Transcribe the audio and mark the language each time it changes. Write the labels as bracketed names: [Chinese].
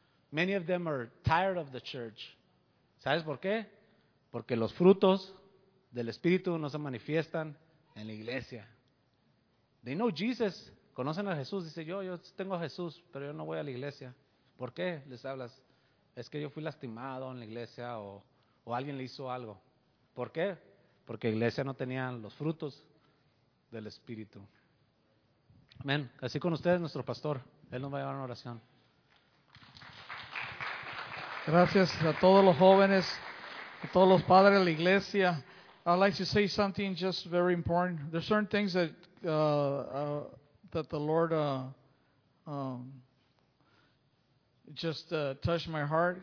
[English] Many of them are tired of the church. [Spanish] ¿Sabes por qué? Porque los frutos del Espíritu no se manifiestan en la iglesia. [English] They know Jesus. [Spanish] Conocen a Jesús. Dice, yo tengo a Jesús, pero yo no voy a la iglesia. ¿Por qué les hablas? Es que yo fui lastimado en la iglesia o alguien le hizo algo. ¿Por qué? Porque la iglesia no tenía los frutos del Espíritu. Amén. Así con ustedes, nuestro pastor. Él nos va a llevar una oración. Gracias a todos los jóvenes, a todos los padres de la iglesia. [English] I'd like to say something just very important. There's certain things that that the Lord touched my heart.